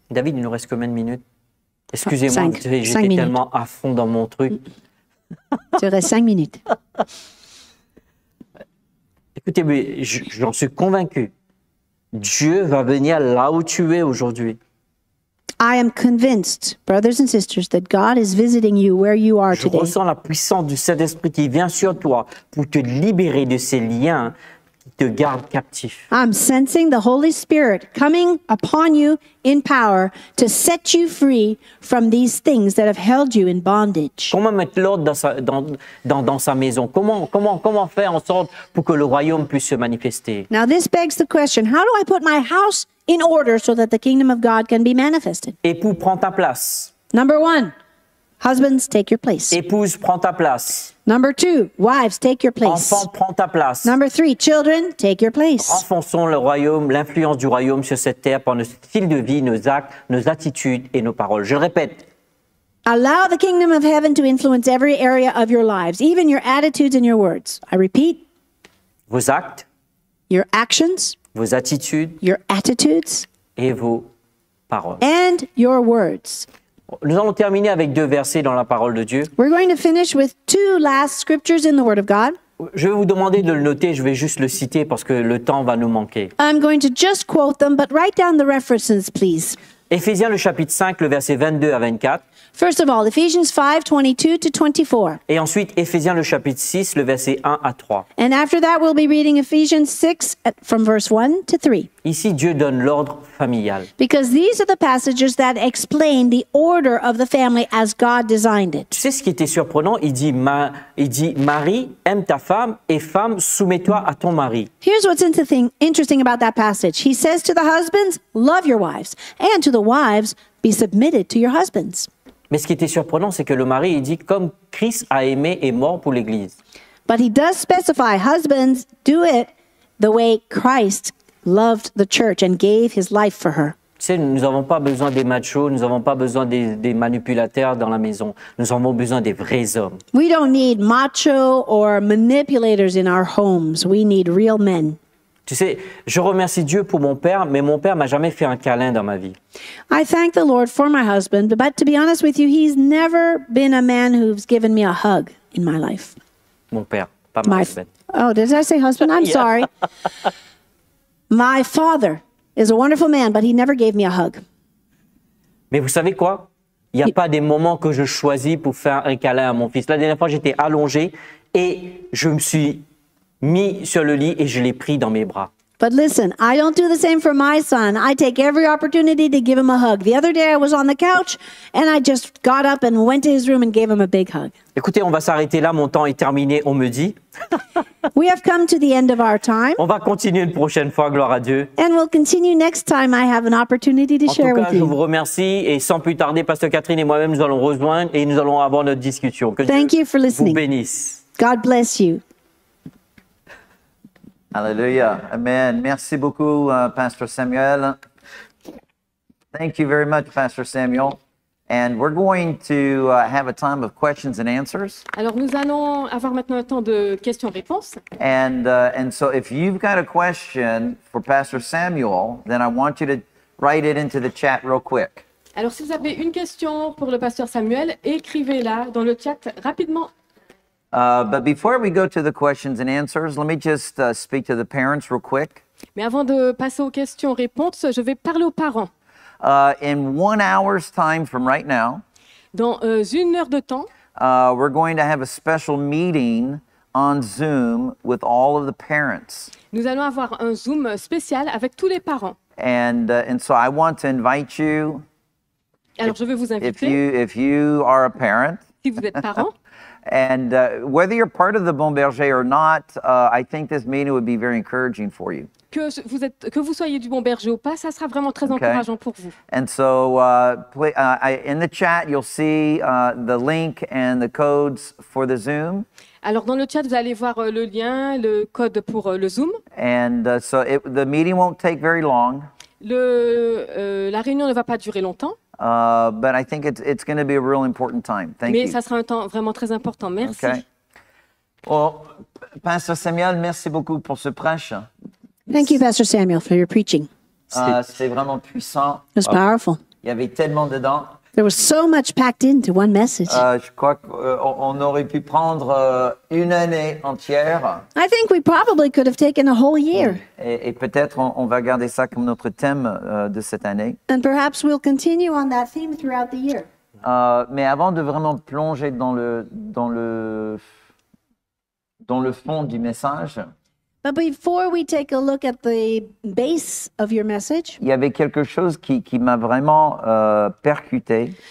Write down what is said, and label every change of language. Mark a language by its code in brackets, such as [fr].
[fr] David, il nous reste combien de minutes? Excusez-moi, j'étais tellement à fond dans mon truc. Tu restes 5 minutes. Écoutez, mais j'en suis convaincu. Dieu va venir là où tu es aujourd'hui. [en] I am convinced, brothers and sisters, that God is visiting you where you are [fr] je [en] today. [fr] Je ressens la puissance du Saint-Esprit qui vient sur toi pour te libérer de ces liens qui te gardent captif. [en] I'm sensing the Holy Spirit coming upon you in power to set you free from these things that have held you in bondage. [fr] Comment mettre l'ordre dans sa maison? Comment faire en sorte pour que le royaume puisse se manifester? [en] Now this begs the question, how do I put my house in order so that the kingdom of God can be manifested? [fr] Époux, prends ta place. [en] Number one, husbands, take your place. [fr] Épouse, prends ta place. [en] Number two, wives, take your place. [fr] Enfants, prends ta place. [en] Number three, children, take your place. [fr] Enfonçons le royaume, l'influence du royaume sur cette terre par notre style de vie, nos actes, nos attitudes et nos paroles. Je répète. [en] Allow the kingdom of heaven to influence every area of your lives, even your attitudes and your words. I repeat. [fr] Vos actes. [en] Your actions. [fr] Vos attitudes. [en] Your attitudes. [fr] Et vos paroles. [en] And your words. [fr] Nous allons terminer avec deux versets dans la parole de Dieu. [en] We're going to finish with two last scriptures in the word of God. [fr] Je vais vous demander de le noter, je vais juste le citer parce que le temps va nous manquer. [en] I'm going to just quote them, but write down the references, please. [fr] Éphésiens, le chapitre 5, le verset 22 à 24. [en] First of all, Ephesians 5, 22 to 24. [fr] Et ensuite, Éphésiens, le chapitre 6, le verset 1 à 3. [en] And after that, we'll be reading Ephesians 6, from verse 1 to 3. [fr] Ici, Dieu donne l'ordre familial. [en] Because these are the passages that explain the order of the family as God designed it. [fr] Tu sais ce qui était surprenant? Il dit, Marie, aime ta femme, et femme, soumets-toi à ton mari. [en] Here's what's interesting about that passage. He says to the husbands, love your wives, and to the wives, be submitted to your husbands. [fr] Mais ce qui était surprenant, c'est que le mari, il dit, comme Christ a aimé et mort pour l'Église. [en] But he does specify, husbands, do it the way Christ loved the church and gave his life for her. [fr] Tu sais, nous n'avons pas besoin des machos, nous n'avons pas besoin des manipulateurs dans la maison. Nous avons besoin des vrais hommes. [en] We don't need macho or manipulators in our homes. We need real men. [fr] Tu sais, je remercie Dieu pour mon père, mais mon père m'a jamais fait un câlin dans ma vie. [en] I thank the Lord for my husband, but to be honest with you, he's never been a man who's given me a hug in my life. [fr] Mon père, pas [en] my husband. Oh, did I say husband? I'm sorry. My father is a wonderful man, but he never gave me a hug. [fr] Mais vous savez quoi? Il n'y a pas des moments que je choisis pour faire un câlin à mon fils. La dernière fois, j'étais allongé et je me suis mis sur le lit et je l'ai pris dans mes bras. [en] But listen, I don't do the same for my son. I take every opportunity to give him a hug. The other day I was on the couch and I just got up and went to his room and gave him a big hug. [fr] Écoutez, on va s'arrêter là, mon temps est terminé, on me dit. [en] We have come to the end of our time. [fr] On va continuer une prochaine fois, gloire à Dieu. [en] And we'll continue next time I have an opportunity to share with you. [fr] En tout cas, je vous remercie et sans plus tarder, Pasteur Catherine et moi-même, nous allons rejoindre et nous allons avoir notre discussion. Que [en] thank [fr] Dieu [en] you for listening. [fr] Vous bénisse. [en] God bless you. [fr] Alléluia. Amen. Merci beaucoup, Pastor Samuel. [en] Thank you very much, Pastor Samuel. And we're going to have a time of questions and answers. [fr] Alors, nous allons avoir maintenant un temps de questions-réponses. [en] And so if you've got a question for Pastor Samuel, then I want you to write it into the chat real quick. [fr] Alors, si vous avez une question pour le Pasteur Samuel, écrivez-la dans le chat rapidement. [en] But before we go to the questions and answers, let me just speak to the parents real quick. [fr] Mais avant de passer aux questions-réponses, je vais parler aux parents. [en] In 1 hour's time from right now, [fr] dans une heure de temps, [en] we're going to have a special meeting on Zoom with all of the parents. [fr] Nous allons avoir un Zoom spécial avec tous les parents. [en] And so I want to invite you. [fr] Alors je vais vous inviter. [en] If you are a parent. [fr] Si vous êtes parent. [en] And whether you're part of the Bon Berger or not, I think this meeting would be very encouraging for you. [fr] Que vous soyez du Bon Berger ou pas, ça sera vraiment très encourageant pour vous. [en] And so, in the chat, you'll see the link and the codes for the Zoom. [fr] Alors, dans le chat, vous allez voir le lien, le code pour le Zoom. [en] And so, the meeting won't take very long. [fr] La réunion ne va pas durer longtemps. [en] But I think it's going to be a real important time. Thank [fr] Mais [en] you. [fr] Mais ça sera un temps vraiment très important. Merci. [en] Okay. [fr] Well, Pastor Samuel, merci beaucoup pour ce prêche. [en] Thank you, Pastor Samuel, for your preaching. [fr] C'était vraiment puissant. [en] It was powerful. [fr] Il y avait tellement dedans. [en] There was so much packed into one message. [fr] Je crois qu'on aurait pu prendre une année entière. [en] I think we probably could have taken a whole year. [fr] Et peut-être on va garder ça comme notre thème de cette année. [en] And perhaps we'll continue on that theme throughout the year. [fr] Mais avant de vraiment plonger dans le fond du message. [en] But before we take a look at the base of your message, [fr] il y avait quelque chose qui m'a vraiment percuté.